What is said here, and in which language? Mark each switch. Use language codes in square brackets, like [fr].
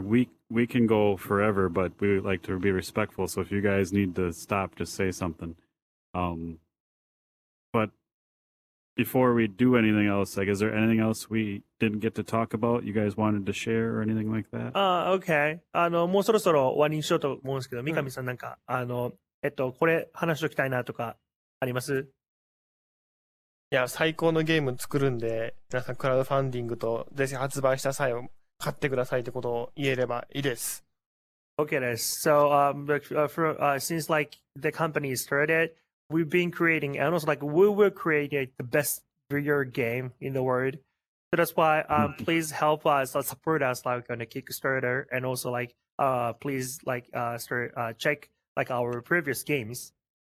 [en] We can go forever, but we would like to be respectful. So if you guys need to stop, just say something. But before we do anything else, like, is there anything else we didn't get to talk about? You guys wanted to share or anything like that? Okay. [ja] もうそろそろ終わりにしようと思うんですけど、三上さんなんかこれ話しておきたいなとかあります？いや最高のゲーム作るんで皆さんクラウドファンディングとぜひ発売した際を買ってくださいってことを言えればいいです。 [en] Okay, this. So since like the company started, we've been creating and also like we will create the best video game in the world. So that's why please help us support us like on the Kickstarter and also like please like start check like our previous games.